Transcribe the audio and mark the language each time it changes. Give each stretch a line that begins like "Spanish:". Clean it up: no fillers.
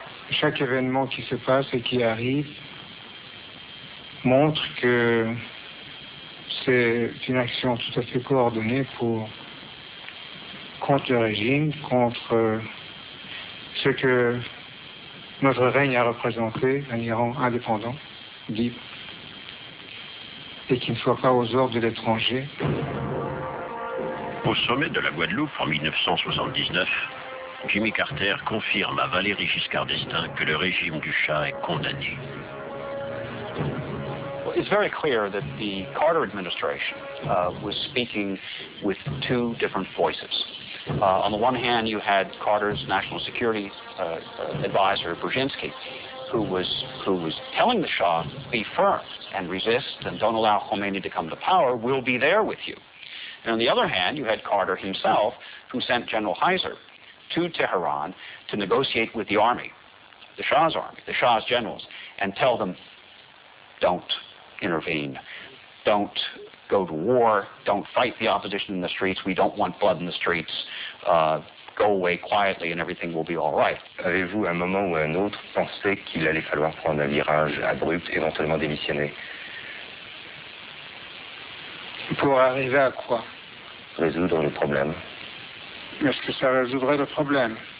French: Chaque événement qui se passe et qui arrive montre que c'est une action tout à fait coordonnée pour contre le régime, contre ce que notre règne a représenté, un Iran indépendant, libre, et qui ne soit pas aux ordres de l'étranger. Au sommet de la Guadeloupe en 1979, Jimmy Carter confirme à Valéry Giscard d'Estaing que le régime du Shah est condamné.
English: It's very clear that the Carter administration was speaking with two different voices. On the one hand, you had Carter's national security advisor, Brzezinski, who was telling the Shah, be firm and resist and don't allow Khomeini to come to power, will be there with you. And on the other hand, you had Carter himself, who sent General Heiser to Tehran to negotiate with the army, the Shah's army, the Shah's generals, and tell them, don't intervene, don't go to war, don't fight the opposition in the streets, we don't want blood in the streets, go away quietly and everything will be all right.
French: Avez-vous un moment ou un autre pensé qu'il allait falloir prendre un virage abrupt, éventuellement démissionner? Pour arriver à quoi? Résoudre le problème. Est-ce que ça résoudrait le problème?